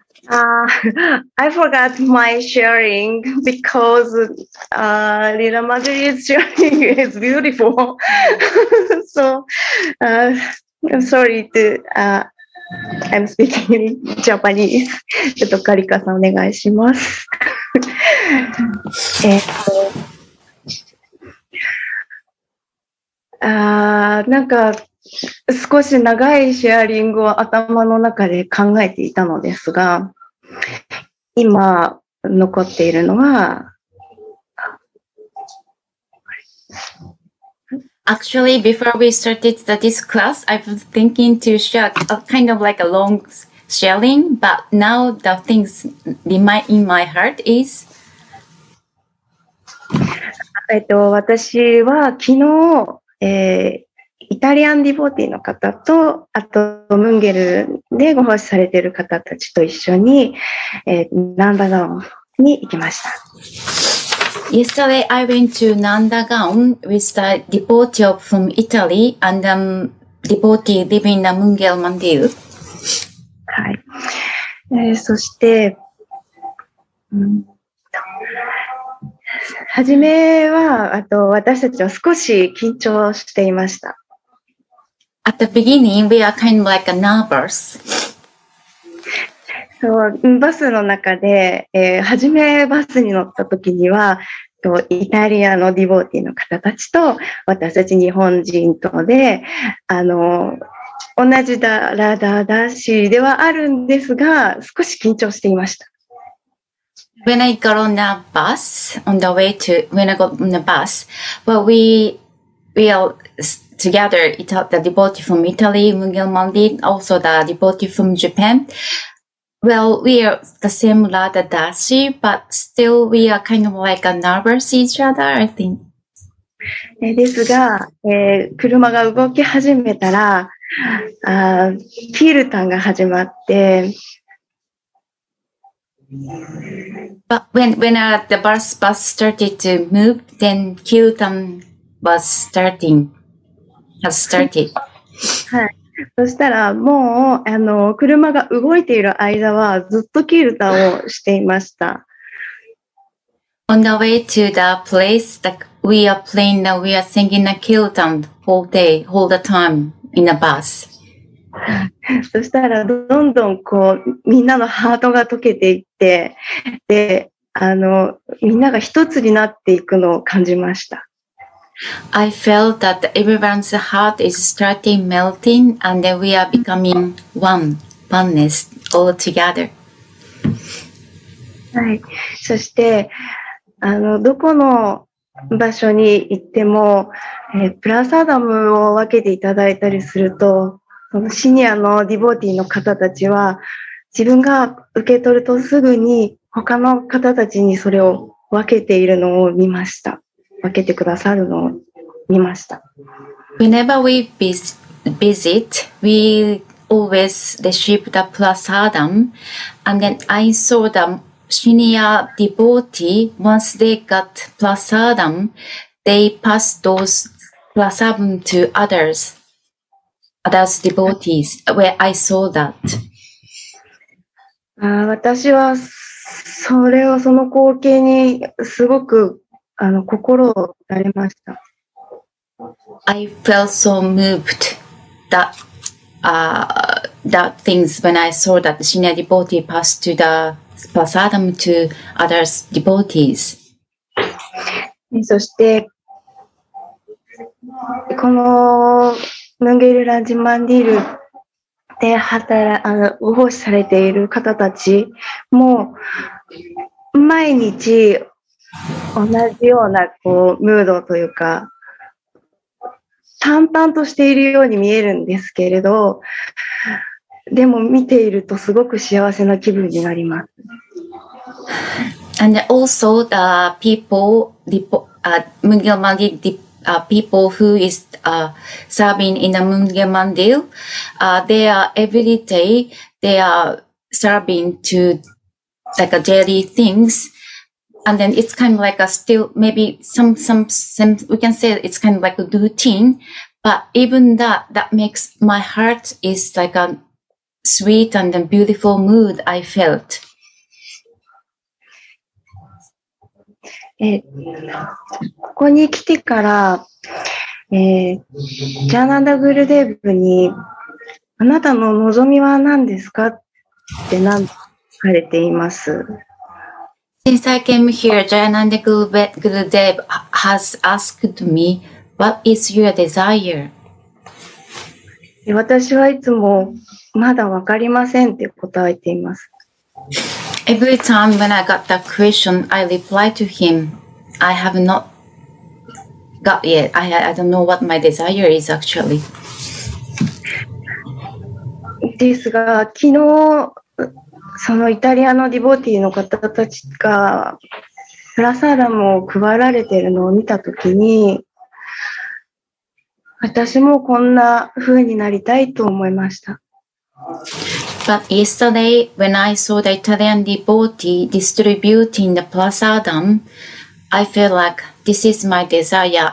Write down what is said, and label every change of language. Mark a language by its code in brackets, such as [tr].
[en] I forgot my sharing because Lila Madri's sharing is beautiful. So I'm sorry to I'm speaking in Japanese. [ja] ちょっとカリカさんお願いします。なんか少し長いシェアリングを頭の中で考えていたのですが、今残っているのは、 [en] Actually, before we started this class, I was thinking to share a kind of like a long sharing, but now the things in my heart is... [ja] 私は昨日、イタリアンディボーティーの方と、あとムンゲルでご奉仕されている方たちと一緒に、ナンダガオンに行きました。 [en] Yesterday, I went to Nandagaon with the devotee from Italy and devotee living in Mungel Mandir. [ja] はい。そして、はじめは、あと私たちは少し緊張していました。 [en] At the beginning, we are kind of like nervous. [ja] そう、バスの中で、はじめバスに乗った時には、イタリアのディボーティーの方たちと私たち日本人とで同じだラダダシではあるんですが少し緊張していました。 [en] When I got on the bus on the way to when I got on the bus, well we are together. It's the devotee from Italy, Mungel Mandi, also the devotee from Japan. Well, we are the same Radha Dasi, but still we are kind of like a nervous each other, I think. [ja] ですが、車が動き始めたら、キルタンが始まって。 [en] But when the bus started to move, then キルタン was starting, has started. [ja] はい。そしたらもう車が動いている間はずっとキルタンをしていました。 [en] On the way to the place that we are playing, that we are singing a kirtan whole day, whole the time in the bus. [ja] そしたらどんどんこうみんなのハートが溶けていって、でみんなが一つになっていくのを感じました。 [en] I felt that everyone's heart is starting melting and then we are becoming oneness all together. [ja] はい。そして、どこの場所に行っても、プラサダムを分けていただいたりすると、そのシニアのディボーティーの方たちは、自分が受け取るとすぐに他の方たちにそれを分けているのを見ました。分けてくださるのを見ました。 [en] Whenever we visit, we always receive the prasadam, and then I saw the senior devotee, once they got prasadam, they passed those prasadam to others devotees, where I saw that. [ja] 私はそれをその光景にすごく心を打たれました。 [en] I felt so moved that, that things when I saw that the senior devotee passed to the prasadam to other devotees. [ja] そして、このムンゲルランジマンディールで奉仕されている方たちも毎日同じようなこうムードというか淡々としているように見えるんですけれどでも見ているとすごく幸せな気分になります。 [en] And also the people Mungel Mandir people who is serving in the Mungel Mandir they are every day they are serving to like a daily things and then it's kind of like a still, maybe some, we can say it's kind of like a routine, but even that makes my heart is like a sweet and a beautiful mood I felt. [ja] ここに来てから、ジャーナンダ・グルデーブに、あなたの望みは何ですかって何と聞かれています。 [en] Since I came here, Jayananda Gurudev has asked me, what is your desire? [ja] 私はいつもまだ分かりませんって答えています。 [en] Every time when I got that question, I replied to him, I have not got yet. I don't know what my desire is actually. [ja] ですが、昨日、そのイタリアのディボティの方たちがプラサーダムを配られているのを見たときに、私もこんな風になりたいと思いました。 [en] But yesterday, when I saw the Italian devotee distributing the prasadam, I felt like this is my desire.